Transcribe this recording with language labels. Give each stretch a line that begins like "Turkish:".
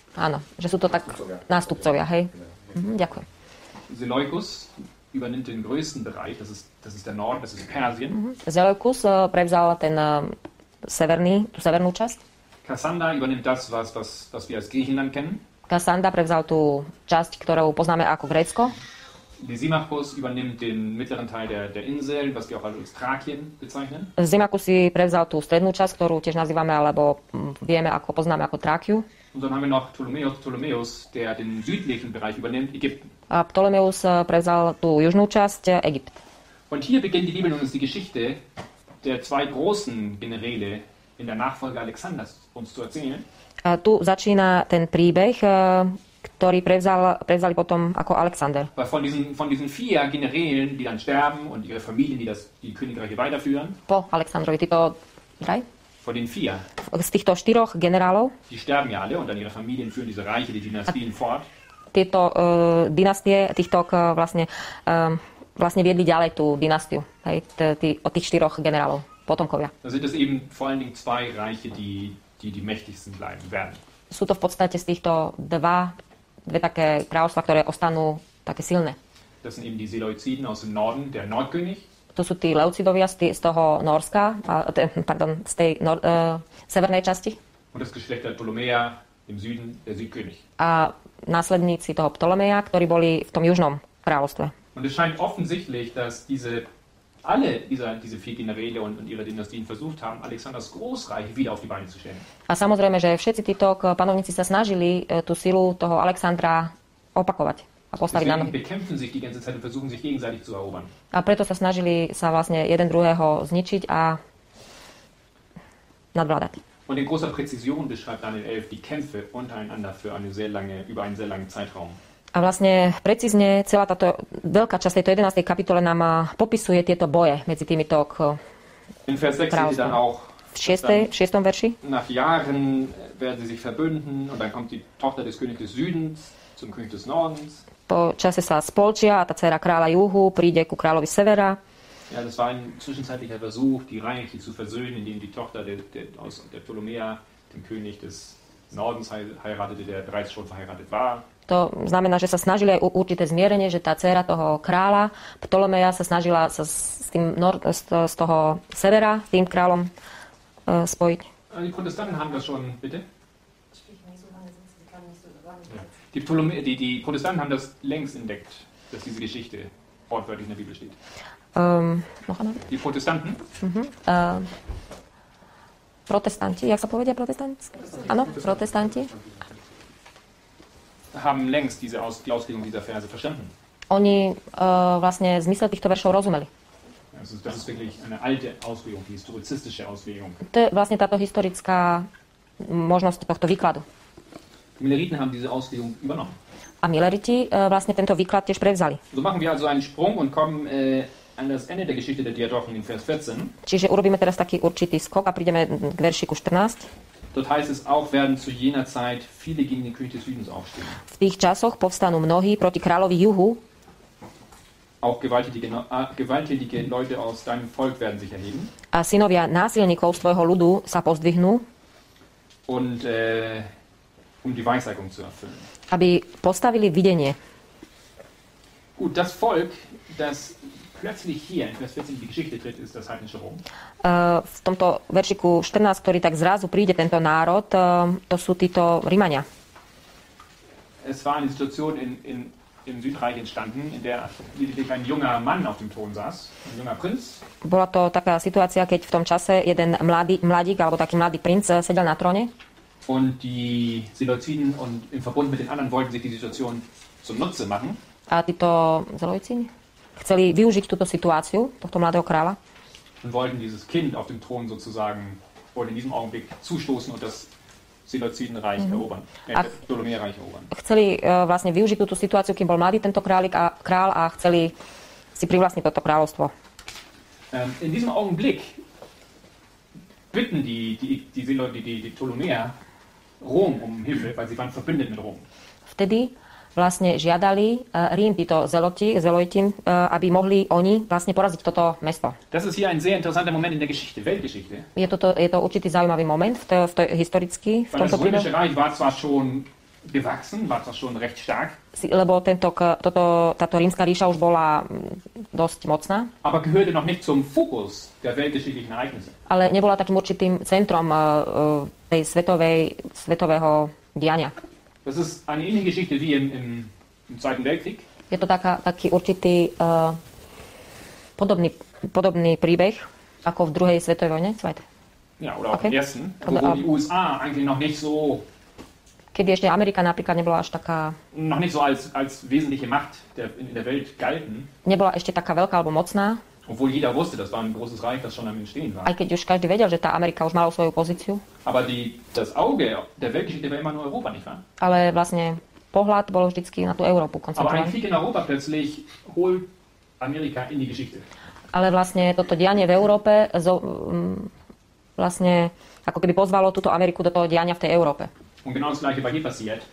Slovak: Áno, že sú to tak nástupcovia, hej. Ďakujem.
German: Seleukus übernimmt den größten Bereich, das ist der Norden, das ist Persien.
Slovak: Seleukus prevzal ten severnú časť.
German: Kassander übernimmt das, was wir als Griechenland kennen.
Slovak: Kassander prevzal tú časť, ktorú poznáme ako Grécko.
German: Lysimachos übernimmt den mittleren Teil der Insel, was wir auch als Thrakien bezeichnen.
Slovak: Lysimachos si prevzal tú strednú časť, ktorú tiež nazývame alebo vieme ako poznáme ako Thrakiu.
German: Und dann haben wir noch Ptolemäus, der den südlichen Bereich übernimmt, Ägypten.
Slovak: A Ptolemäus prevzal tú južnú časť, Egypt.
German: Und hier beginnt die Bibel und uns die Geschichte der zwei großen Generäle in der Nachfolge Alexanders uns zu erzählen.
Slovak: A tu začína ten príbeh, ktorý prevzali potom ako Alexander.
German: Von diesen vier Generälen, die dann sterben und ihre Familien, die Königreiche weiterführen.
Slovak: Po Alexandrovi, títo
German: drei? Von den vier.
Slovak: Z týchto štyroch generálov.
German: Die sterben ja alle und dann ihre Familien führen diese Reiche, die Dynastien fort.
Slovak: Tieto dynastie, týchto vlastne viedli ďalej tú dynastiu. Hej, od tých štyroch generálov, potomkovia.
German: Da sind es eben vor allen Dingen zwei Reiche, die mächtigsten bleiben werden.
Slovak: Sú to v podstate z týchto dve také kráľovstvá, ktoré ostanú také silné.
German: Das sind eben die Seleuciden aus dem Norden, der Nordkönig.
Slovak: To sú tí Leucidovia z toho Norska, z tej severnej časti.
German: Und das Geschlecht der Ptolemäer im Süden, der Südkönig.
Slovak: A následníci toho Ptolemäa, ktorí boli v tom južnom kráľovstve.
German: Und es scheint offensichtlich, dass alle diese vier Generäle und ihre Dynastien versucht haben, Alexanders Großreich wieder auf die Beine zu stellen.
Slovak: A samozrejme, že všetci títo panovníci sa snažili tú silu toho Alexandra opakovať a postaviť na nohy.
German: Deswegen bekämpfen sich die ganze Zeit und versuchen sich gegenseitig zu erobern.
Slovak: A preto sa snažili sa vlastne jeden druhého zničiť a nadvládať.
German: Und in großer Präzision beschreibt Daniel 11 die Kämpfe untereinander über einen sehr langen Zeitraum.
Slovak: A vlastne precízne celá táto veľká časť tejto 11. kapitole nám popisuje tieto boje medzi týmito V 6. verši.
German: Nach Jahren werden sie sich verbünden und dann kommt die Tochter des Königs des Südens zum König des Nordens.
Slovak: Po čase sa spolčia a tá dcéra kráľa juhu príde ku kráľovi severa.
German: Ja, das war ein zwischenzeitlicher Versuch, die Reiche zu versöhnen, indem die Tochter der Ptolemäa dem König des Nordens heiratete, der bereits schon verheiratet war.
Slovak: To znamená, že sa snažili aj určité zmierenie, že tá dcéra toho kráľa Ptolemeja sa snažila sa s toho severa, s tým kráľom spojiť.
German: Die Protestanten haben das schon, bitte? Die Ptolemäer, die Protestanten haben das längst entdeckt, dass diese Geschichte wortwörtlich in der Bibel steht. Noch einmal? Die Protestanten?
Slovak: Protestanti, jak sa povedia protestanti? Áno, protestanti.
German: Haben längst diese Auslegung dieser Verse verstanden.
Slovak: Oni vlastne zmysel týchto veršov rozumeli.
German: Das ist wirklich eine alte Auslegung, die historizistische Auslegung.
Slovak: To je vlastne táto historická možnosť tohto výkladu.
German: Mileriten haben diese Auslegung übernommen.
Slovak: A Mileriti vlastne tento výklad tiež prevzali.
German: So machen wir also einen Sprung und kommen an das Ende der Geschichte der Diadochen in Vers 14.
Slovak: Čiže urobíme teraz taký určitý skok a prídeme k veršiku 14.
German: Dort heißt es auch, werden zu jener Zeit viele gegen den König des Südens aufstehen.
Slovak: V tých časoch povstanú mnohí proti kráľovi juhu.
German: Auch gewalttätige Leute aus deinem Volk werden sich erheben.
Slovak: A synovia násilníkov z tvojho ľudu sa pozdvihnú.
German: Und die Weissagung zu erfüllen.
Slovak: Aby postavili videnie.
German: Gut, das Volk, das plötzlich hier in Vers 14 die Geschichte tritt, ist das heidnische Rom.
Slovak: V tomto veršiku 14, ktorý tak zrazu príde tento národ, to sú títo Rímania.
German: Es war eine Situation im Südreich entstanden, in der lediglich ein junger Mann auf dem Thron saß, ein junger Prinz.
Slovak: Bola to taká situácia, keď v tom čase jeden mladík alebo taký mladý princ sedel na tróne.
German: Und die Seleuciden und im Verbund mit den anderen wollten sich die Situation zum Nutze machen.
Slovak: A títo Seleucini chceli využiť túto situáciu tohto mladého kráľa.
German: Und wollten dieses Kind auf dem Thron sozusagen wohl in diesem Augenblick zustoßen und das Seleucidenreich erobern. Ptolemäerreich erobern.
Slovak: Chceli vlastne využiť túto situáciu, kým bol mladý tento kráľ a chceli si privlastniť toto kráľovstvo.
German: In diesem Augenblick bitten die Seleucidi die Ptolemäer Rom um Hilfe, weil sie waren verbündet mit Rom.
Slovak: Vtedy vlastne žiadali Rím títo Zelotin, aby mohli oni vlastne poraziť toto mesto.
German: Das ist hier ein sehr interessanter Moment in der Geschichte, Weltgeschichte.
Slovak: Je to určitý zaujímavý moment v historicky, v tomto prípade.
German: Das Römische Reich war zwar schon gewachsen, war zwar schon recht stark.
Slovak: Lebo táto rímska ríša už bola dosť mocná.
German: Aber gehörte noch nicht zum Fokus der weltgeschichtlichen Ereignisse.
Slovak: Ale nebola takým určitým centrom tej svetového diania.
German: Das ist eine ähnliche Geschichte wie im Zweiten Weltkrieg.
Slovak: Je to taký určitý podobný príbeh ako v druhej svetovej vojne,
German: zweite. Ja, oder auch okay. Essen, wo die USA eigentlich noch nicht so...
Slovak: Kedy ešte Amerika napríklad nebola až taká...
German: Noch nicht so als wesentliche Macht in der Welt galten.
Slovak: Nebola ešte taká veľká alebo mocná.
German: Obwohl jeder wusste, das war ein großes Reich, das schon am Entstehen war.
Slovak: Aj keď už každý vedel, že tá Amerika už mala svoju pozíciu.
German: Aber das Auge der Weltgeschichte war immer nur Europa, nicht wahr?
Slovak: Ale vlastne pohľad bol vždycky na tú Európu koncentrovaný.
German: Aber ein Krieg in Europa plötzlich holt Amerika in die Geschichte.
Slovak: Ale vlastne toto dianie v Európe vlastne ako keby pozvalo túto Ameriku do toho diania v tej Európe.
German: Und genau das gleiche war hier passiert.